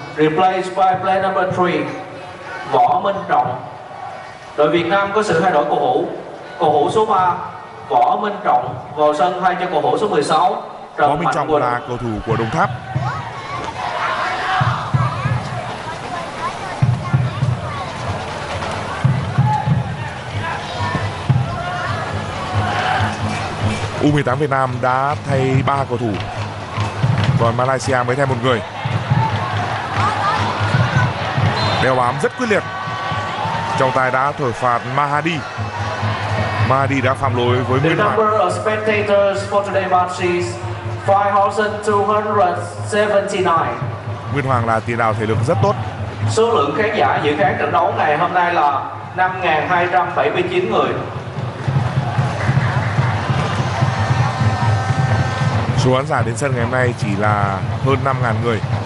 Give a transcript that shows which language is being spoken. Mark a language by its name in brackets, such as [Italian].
[English] Replaced by player number 3, Võ Minh Trọng. [Vietnamese] Đội Việt Nam có sự thay đổi cầu thủ. Cầu thủ số 3, Võ Minh Trọng vào sân thay cho cầu thủ số 16, Trần Mạnh Quỳnh. Là cầu thủ của Đồng Tháp. U18 Việt Nam đã thay 3 cầu thủ, còn Malaysia mới thay 1 người. Đeo bám rất quyết liệt. Trọng tài đã thổi phạt Mahadi. Mahadi đã phạm lỗi với Nguyên Hoàng. [English] The number of spectators for today's match is 5,279. [Vietnamese] Nguyên Hoàng là tiền đạo thể lực rất tốt. Số lượng khán giả dự kiến trận đấu ngày hôm nay là 5,279 người. Số khán giả đến sân ngày hôm nay chỉ là hơn 5,000 người.